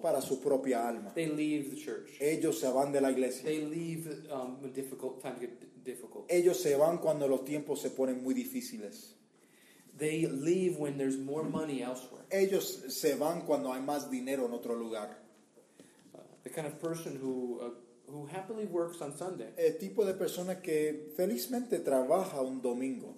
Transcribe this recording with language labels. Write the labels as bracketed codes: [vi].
[es] Para su propia alma. [en] They leave the church. [es] Ellos se van de la iglesia. [en] They leave when difficult times get difficult. [es] Ellos se van cuando los tiempos se ponen muy difíciles. [en] They leave when there's more money elsewhere. [es] Ellos se van cuando hay más dinero en otro lugar. [en] The kind of person who happily works on Sunday. [es] El tipo de persona que felizmente trabaja un domingo.